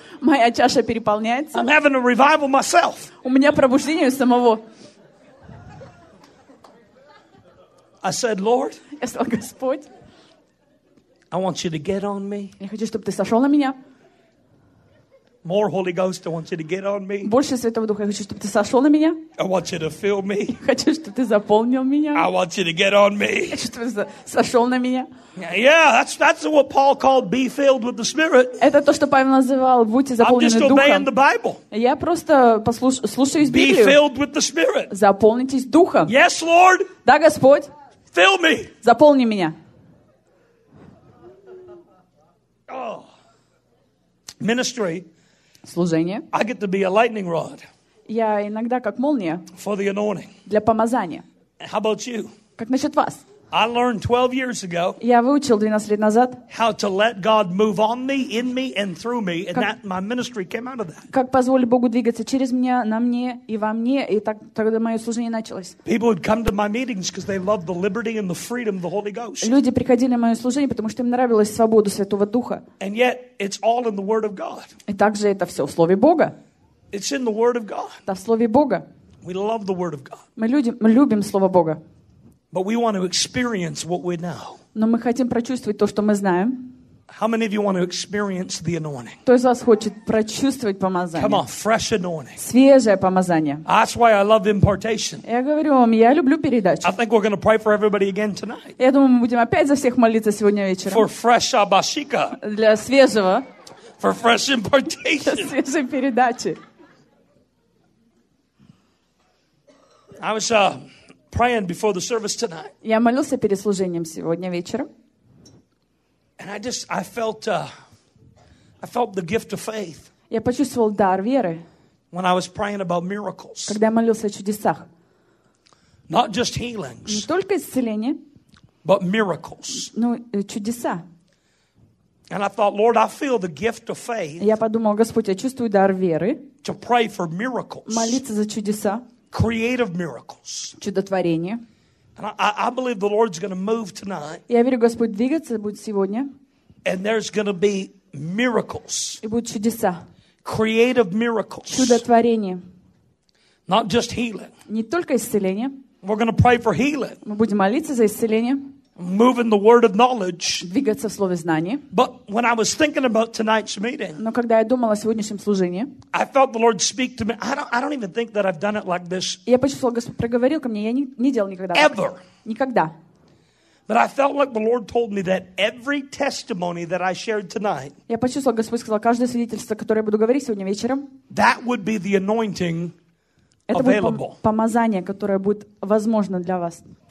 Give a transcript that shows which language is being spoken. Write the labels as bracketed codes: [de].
[ru] Моя чаша переполняется. [en] I'm having a revival myself. [ru] У меня пробуждение у самого. [en] I said, Lord. [ru] Я сказал, Господь. [en] I want you to get on me. [ru] Я хочу, чтобы ты сошел на меня. [en] More Holy Ghost, I want you to get on me. [ru] Больше Святого Духа, я хочу, чтобы ты сошел на меня. [en] I want you to fill me. [ru] Я хочу, чтобы ты заполнил меня. [en] I want you to get on me. [ru] Я хочу, чтобы ты сошел на меня. [en] Yeah, that's what Paul called be filled with the Spirit. [ru] Это то, что Павел называл будьте заполнены Духом. [en] I'm just obeying the Bible. [ru] Я просто слушаюсь Библию. [en] Be filled with the Spirit. [ru] Заполнитесь Духом. [en] Yes, Lord. [ru] Да, Господь. [en] Fill me. [ru] Заполни меня. [en] Ministry. [ru] Служение. [en] I get to be a lightning rod. [ru] Я иногда как молния. [en] For the anointing. [ru] Для помазания. [en] How about you? [ru] Как насчет вас? [en] I learned 12 years ago. [ru] Я выучил 12 лет назад. [en] How to let God move on me, in me, and through me, and that my ministry came out of that. [ru] Как позволить Богу двигаться через меня, на мне и во мне, и так тогда мое служение началось. [en] People would come to my meetings because they loved the liberty and the freedom of the Holy Ghost. [ru] Люди приходили на мое служение, потому что им нравилась свобода Святого Духа. [en] And yet, it's all in the Word of God. [ru] И также это все в Слове Бога. [en] It's in the Word of God. [ru] Это в Слове Бога. [en] We love the Word of God. [ru] Мы любим Слово Бога. [en] But we want to experience what we know. [ru] Но мы хотим прочувствовать то, что мы знаем. [en] How many of you want to experience the anointing? [ru] Кто из вас хочет прочувствовать помазание? [en] Come on, fresh anointing. [ru] Свежее помазание. [en] That's why I love impartation. [ru] Я говорю вам, я люблю передачу. [en] I think we're going to pray for everybody again tonight. [ru] Я думаю, мы будем опять за всех молиться сегодня вечером. [en] For fresh abashika. [ru] Для свежего. [en] For fresh impartation. [ru] Для свежей передачи. [en] I was praying before the service tonight. [ru] Я молился перед служением сегодня вечером. [en] And I felt the gift of faith. [ru] Я почувствовал дар веры. [en] When I was praying about miracles. [ru] Когда я молился о чудесах. [en] Not just healings. [ru] Не только исцеление. [en] But miracles. [ru] Ну, чудеса. [en] And I thought, Lord, I feel the gift of faith. [ru] Я подумал, Господь, я чувствую дар веры. [en] To pray for miracles. [ru] Молиться за чудеса. [en] Creative miracles. [ru] Чудотворение. [en] And I believe the Lord's going to move tonight. [ru] Я верю, Господь двигаться будет сегодня. [en] And there's going to be miracles. [ru] И будут чудеса. [en] Creative miracles. [ru] Чудотворение. [en] Not just healing. [ru] Не только исцеление. [en] We're going to pray for healing. [ru] Мы будем молиться за исцеление. [en] Moving the word of knowledge. [ru] Двигаться в слове знания. [en] But when I was thinking about tonight's meeting, [ru] но когда я думал о сегодняшнем служении, [en] I felt the Lord speak to me. I don't even think that I've done it like this. [ru] Я почувствовал, Господь проговорил ко мне. Я не делал никогда. [en] Ever. [ru] Никогда. [en] But I felt like the Lord told me that every testimony that I shared tonight. [ru] Я почувствовал, Господь сказал, каждое свидетельство, которое я буду говорить сегодня вечером. [en] That would be the anointing. [ru] Это будет помазание, которое будет возможно для вас.